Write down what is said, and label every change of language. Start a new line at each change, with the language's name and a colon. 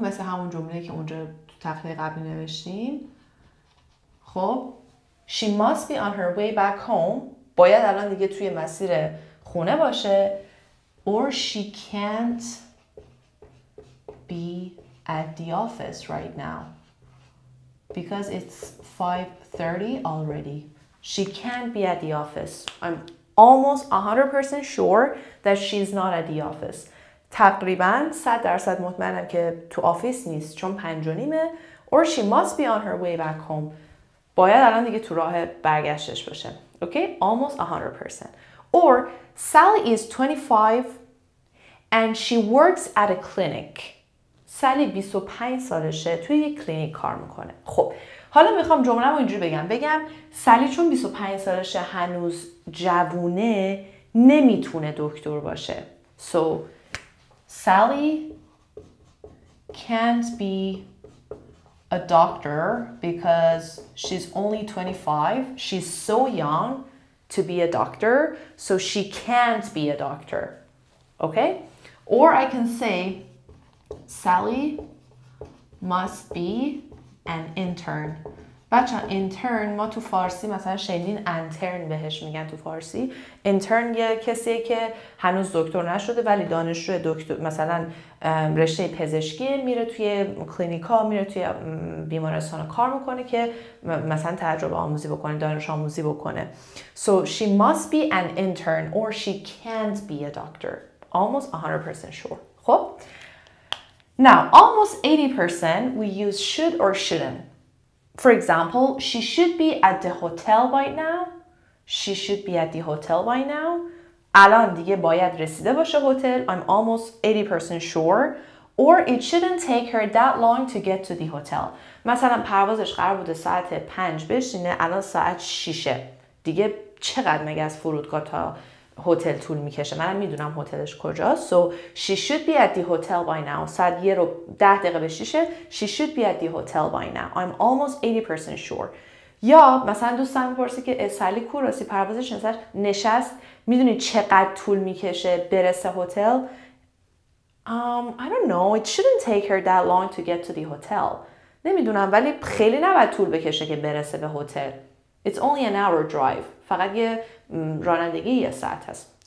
Persian: مثل همون جمله که اونجا تو تخته قبلی نوشتیم.
English: خب she must be on her way back home.
Persian: باید الان دیگه توی مسیر خونه باشه.
English: Or she can't be at the office right now because it's 5:30 already. She can't be at the office. I'm almost 100% sure that she's not at the office.
Persian: تقریبا 100% مطمئنم که تو آفیس نیست، چون 5:30.
English: Or she must be on her way back home.
Persian: باید الان دیگه تو راه برگشتش باشه.
English: Okay, almost 100%. Or Sally is 25 and she works at a clinic.
Persian: سالی 25 سالشه، توی یک کلینیک کار میکنه. خب حالا میخوام جمله‌مو اینجوری بگم سالی چون 25 سالشه هنوز جوونه، نمیتونه دکتر باشه.
English: So Sally can't be a doctor because she's only 25. She's so young to be a doctor, so she can't be a doctor. Okay? Or I can say Sally must be an intern.
Persian: بچه ها intern ما تو فارسی مثلا شنیدین intern بهش میگن تو فارسی. intern یه کسیه که هنوز دکتر نشده ولی دانشجو دکتر مثلا رشته پزشکی، میره توی کلینیکا، میره توی بیمارستان کار میکنه که مثلا تجربه آموزی بکنه، دانش آموزی بکنه.
English: So she must be an intern or she can't be a doctor. Almost 100% sure.
Persian: خب؟
English: Now, almost 80% we use should or shouldn't. For example, she should be at the hotel by now. She should be at the hotel by now.
Persian: الان دیگه باید رسیده باشه هتل.
English: I'm almost 80% sure. Or it shouldn't take her that long to get to the hotel.
Persian: مثلا پروازش قرار بوده ساعت 5 بشینه، الان ساعت 6. دیگه چقدر مگه از فرودگاه تا هتل طول میکشه؟ منم میدونم هتلش کجاست.
English: So she should be at the hotel by now.
Persian: ساعت 10 دقیقه به 6.
English: She should be at the hotel by now. I'm almost 80% sure.
Persian: یا مثلا دوستم پرسی که سالی کوراسی پروازش نشست، میدونی چقدر طول میکشه برسه هتل؟
English: I don't know. It shouldn't take her that long to get to the hotel.
Persian: نمیدونم ولی خیلی نباید طول بکشه که برسه به هتل.
English: It's only an hour drive.
Persian: فقط یه رانندگی یه ساعت هست.